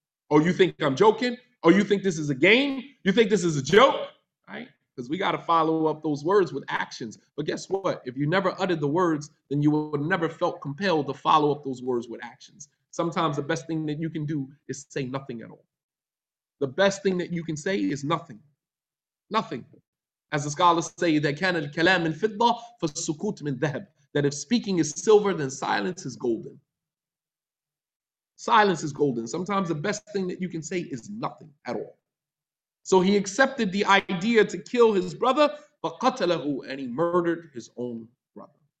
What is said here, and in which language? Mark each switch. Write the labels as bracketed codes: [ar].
[en] Oh, you think I'm joking? Oh, you think this is a game? You think this is a joke? Right? Because we got to follow up those words with actions. But guess what? If you never uttered the words, then you would never felt compelled to follow up those words with actions. Sometimes the best thing that you can do is say nothing at all. The best thing that you can say is nothing. Nothing. As the scholars say, that [ar] كان الكلام من فضة فالسكوت من ذهب. [en] That if speaking is silver, then silence is golden. Silence is golden. Sometimes the best thing that you can say is nothing at all. So he accepted the idea to kill his brother, [ar] فقتله, [en] and he murdered his own brother.